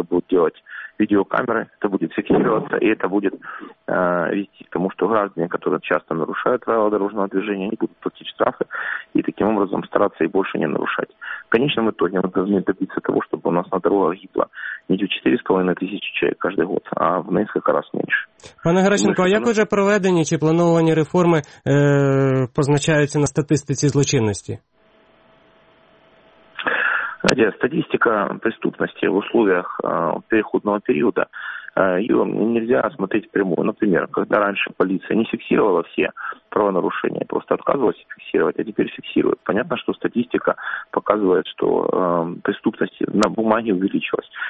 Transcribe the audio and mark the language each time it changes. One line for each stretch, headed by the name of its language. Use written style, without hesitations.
Russian: Это будут делать видеокамеры, это будет фиксироваться, и это будет вести к тому, что граждане, которые часто нарушают правила дорожного движения, они будут платить штрафы и таким образом стараться и больше не нарушать. В конечном итоге мы должны добиться того, чтобы у нас на дорогах гибло не 4,5
Ukrainian: тисячі
Russian: человек каждый год, а в несколько раз меньше.
Ukrainian: Пане Геращенко, а як уже проведені чи плановані реформи позначаються на статистиці злочинності?
Russian: Знаете, статистика преступности в условиях переходного периода, ее нельзя смотреть прямую. Например, когда раньше полиция не фиксировала все правонарушения, просто отказывалась фиксировать, а теперь фиксирует. Понятно, что статистика показывает, что преступность на бумаге увеличилась.